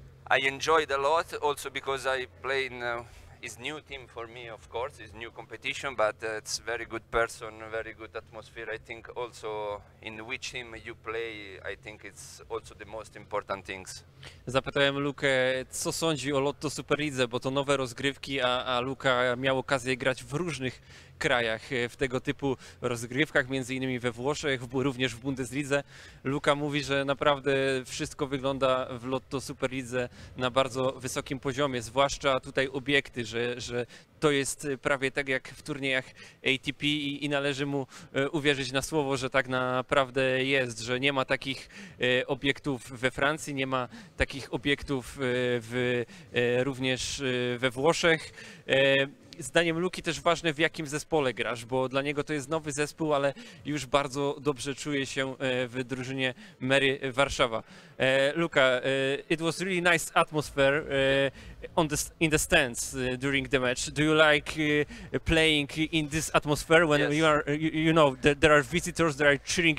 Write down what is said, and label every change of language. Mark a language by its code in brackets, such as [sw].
[en] I enjoyed a lot also because I play in his new team for me, of course, his new competition, but it's very good person, very good atmosphere. I think also in which team you play, I think it's also the most important things. [pl] Zapytałem Lukę, co sądzi o Lotto Superlidze, bo to nowe rozgrywki, a Luka miał okazję grać w różnych krajach w tego typu rozgrywkach, między innymi we Włoszech, również w Bundeslidze. Luka mówi, że naprawdę wszystko wygląda w Lotto Superlidze na bardzo wysokim poziomie, zwłaszcza tutaj obiekty, że to jest prawie tak jak w turniejach ATP i należy mu uwierzyć na słowo, że tak naprawdę jest, że nie ma takich obiektów we Francji, nie ma takich obiektów również we Włoszech. Zdaniem Luki też ważne, w jakim zespole grasz, bo dla niego to jest nowy zespół, ale już bardzo dobrze czuje się w drużynie Mary Warszawa. [en] Luka, it was really nice atmosphere in the stands during the match. Do you like playing in this atmosphere when, yes, you are, you know, there are visitors, there are cheering,